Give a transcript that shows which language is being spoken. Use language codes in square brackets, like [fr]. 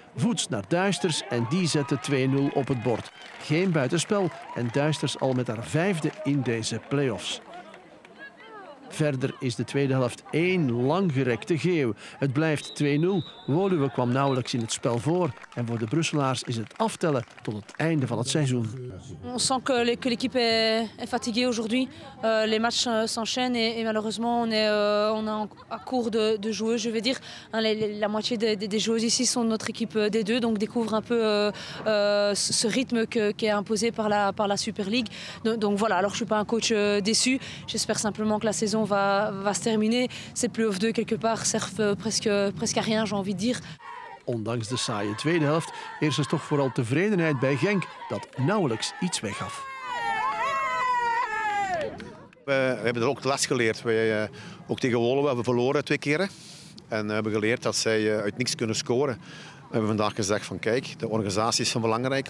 [nl] Voets naar Duisters en die zet de 2-0 op het bord. Geen buitenspel en Duisters al met haar vijfde in deze play-offs. Verder is de tweede helft één langgerekte geeuw. Het blijft 2-0. Woluwe kwam nauwelijks in het spel voor. En voor de Brusselaars is het aftellen tot het einde van het seizoen. [fr] On sent que l'équipe est fatiguée aujourd'hui. Les matchs s'enchaînent et malheureusement on est à court de joueurs, je veux dire. La moitié des joueurs ici sont de notre équipe des deux, donc découvre un peu ce rythme qui est imposé par la Super League. Donc voilà, alors je ne suis pas un coach déçu. J'espère simplement que la saison va se terminer. Ces play-offs 2 quelque part servent presque à rien, j'ai envie de dire. [nl] Ondanks de saaie tweede helft, eerst is toch vooral tevredenheid bij Genk dat nauwelijks iets weggaf. We hebben er ook les geleerd. Ook tegen Wolle hebben we verloren 2 keren. En we hebben geleerd dat zij uit niks kunnen scoren. We hebben vandaag gezegd van kijk, de organisatie is van belangrijk.